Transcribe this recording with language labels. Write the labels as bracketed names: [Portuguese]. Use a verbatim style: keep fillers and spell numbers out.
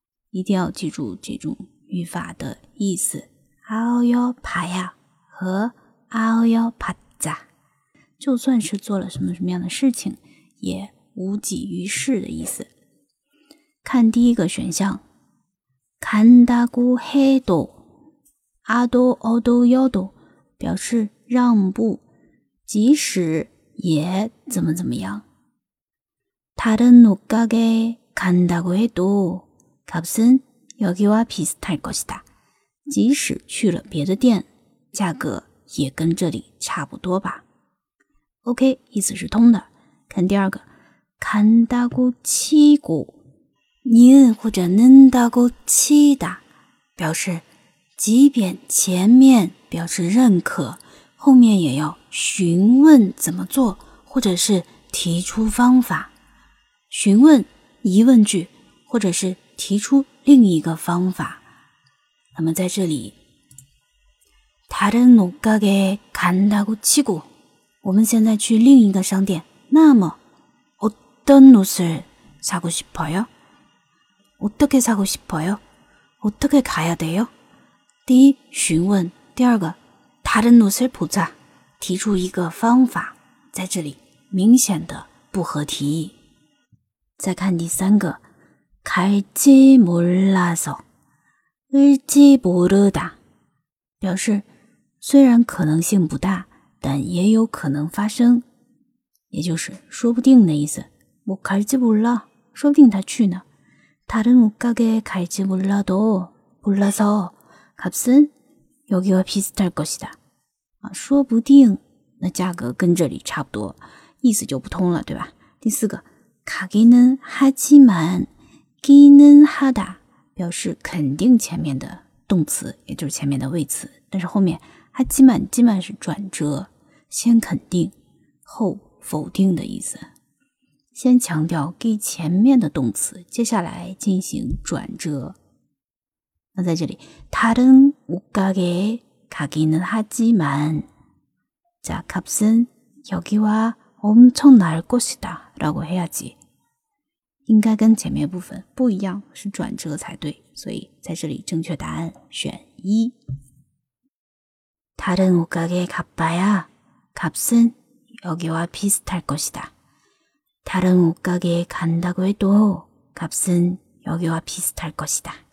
[Chinese] 一定要记住这种语法的意思，啊哦哟爬呀和啊哦哟爬咋，就算是做了什么什么样的事情也无济于事的意思。看第一个选项， [Korean] 간다고해도 아도 어도 여도 [Chinese] 表示让步，即使也怎么怎么样。 [Korean] 다른옷가게에 간다고해도 값은 여기와 비슷할 것이다。 [Chinese] 即使去了别的店，价格也跟这里差不多吧。 OK， 意思是通的。看第二个， [Korean] 간다고치고， [Chinese] 您或者 [Korean] 는다고치다， [Chinese] 表示即便前面表示认可，后面也要询问怎么做，或者是提出方法。询问疑问句，或者是提出另一个方法。那么在这里， [Korean] 다른옷가게에 간다고 치고， [Chinese] 我们现在去另一个商店。那么， [Korean] 어떤 옷을 사고 싶어요？ 어떻게 사고 싶어요？ 어떻게 가야 돼요？ [Chinese] 第一，询问；第二个， [Korean] 다른옷을 보자， [Chinese] 提出一个方法，在这里明显的不合题意。再看第三个， [Korean] 갈지몰라서， 을지모르다， [Chinese] 表示虽然可能性不大，但也有可能发生，也就是说不定的意思。 [Korean] 뭐갈지몰라， [Chinese] 说不定他去呢。 [Korean] 다른옷가게에 갈지몰라도 몰라서。 값은여기와비슷할것이다， [Chinese] 啊，说不定那价格跟这里差不多，意思就不通了，对吧？第四个， [Korean] 가기는 하지만， 기는 하다， [Chinese] 表示肯定前面的动词，也就是前面的谓词，但是后面 [Korean] 하지만， [Chinese] 基本是转折，先肯定，后否定的意思。先强调给前面的动词，接下来进行转折。那在这里， [Korean] 다른옷가게에 가기는 하지만，자값은여기와 엄청 나을 것이다 라고 해야지。 [Chinese] 应该跟前面部分不一样，是转折才对，所以在这里正确答案选一。 [Korean] 다른옷가게에 가봐야 값은 여기와 비슷할 것이다。 다른옷가게에 간다고 해도 값은 여기와 비슷할 것이다。